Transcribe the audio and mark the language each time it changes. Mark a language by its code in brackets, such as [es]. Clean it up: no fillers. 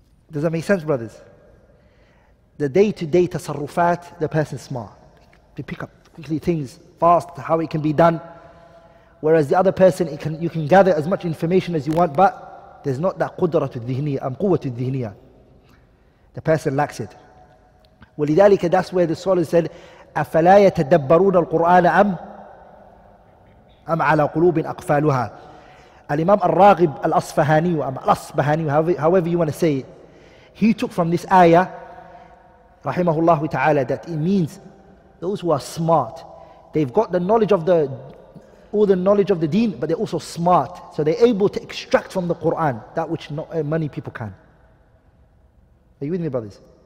[en] Does that make sense, brothers? The day-to-day tasarrufat, the person's smart. They pick up quickly things fast, how it can be done. Whereas the other person, you can gather as much information as you want, but there's not that qudratu dhihniya, amquwatu dhihniya. The person lacks it. [ar] ولذلك, [en] that's where the scholars said, [ar] أَفَلَا يَتَدَبَّرُونَ الْقُرْآنَ أَمْ عَلَى قُلُوبٍ أَقْفَالُهَا. [en] Al-Imam al-Raghib al-Asfahani, however you want to say it, he took from this ayah, rahimahullah ta'ala, that it means those who are smart, they've got the knowledge of all the knowledge of the deen, but they're also smart, so they're able to extract from the Quran that which many people can. Are you with me, brothers?